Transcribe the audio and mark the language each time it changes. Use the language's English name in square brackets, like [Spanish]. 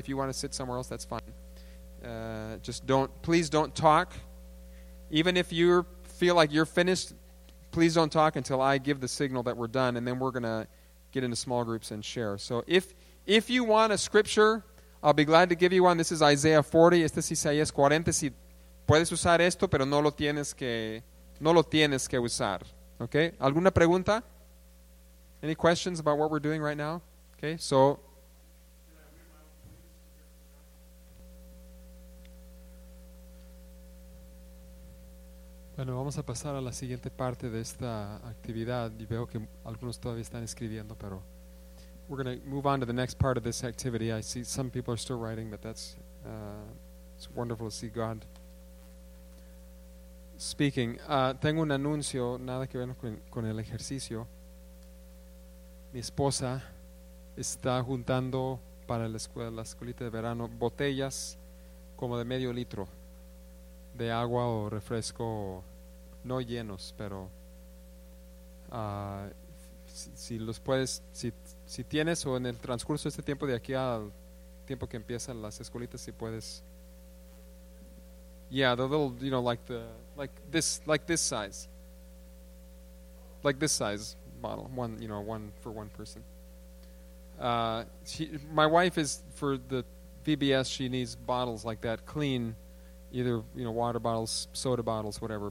[English] If you want to sit somewhere else, that's fine. Please don't talk. Even if you feel like you're finished, please don't talk until I give the signal that we're done, and then we're going to get into small groups and share. So if you want a scripture, I'll be glad to give you one. This is Isaiah 40. [Spanish] Este es Isaías 40. Si puedes usar esto, pero no lo tienes que usar. Okay? ¿Alguna pregunta? [English] Any questions about what we're doing right now? Okay, so. [Spanish] Bueno, vamos a pasar a la siguiente parte de esta actividad. Y veo que algunos todavía están escribiendo, pero. [English] We're going to move on to the next part of this activity. I see some people are still writing, but that's it's wonderful to see God speaking. [Spanish] Tengo un anuncio, nada que ver con el ejercicio. Mi esposa está juntando para la escuelita de verano botellas como de medio litro de agua o refresco, no llenos, pero si tienes o en el transcurso de este tiempo de aquí al tiempo que empiezan las escuelitas, si puedes. [English] Yeah, the little, you know, like this size. Bottle, one, you know, one for one person. My wife is for the VBS. She needs bottles like that, clean, either, you know, water bottles, soda bottles, whatever.